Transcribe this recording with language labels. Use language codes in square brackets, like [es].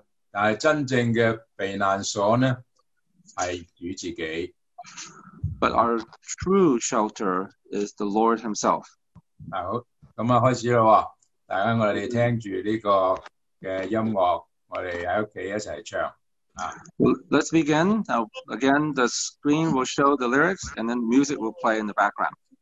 [yue] 但系真正嘅避难所呢，系主自己。 [en] But our true shelter is the Lord Himself. [yue] 好。咁啊，開始咯！大家我哋聽住呢個嘅音樂，我哋喺屋企一齊唱啊！ [en] Let's begin. Now, again, the screen will show the lyrics, and then music will play in the background.